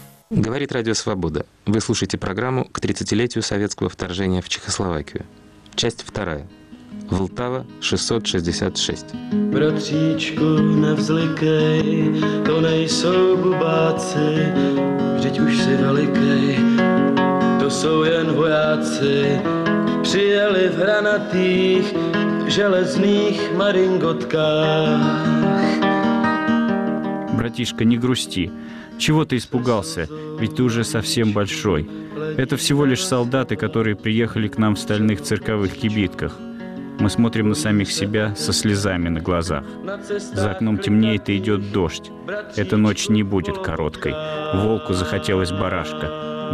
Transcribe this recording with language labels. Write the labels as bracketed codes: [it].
[ru] Говорит радио «Свобода». Вы слушаете программу «К 30-летию советского вторжения в Чехословакию». Часть 2. Влтава, 666. [cs] Братříčku, nevzlikej, to nejsou bubáci, vždyť už si velikej, to jsou jen vojáci. Přijeli v hranatých, železných maringotkách. [ru] Братишка, не грусти, чего ты испугался, ведь ты уже совсем большой. Это всего лишь солдаты, которые приехали к нам в стальных цирковых кибитках. Мы смотрим на самих себя со слезами на глазах. За окном темнеет и идет дождь. Эта ночь не будет короткой. Волку захотелось барашка.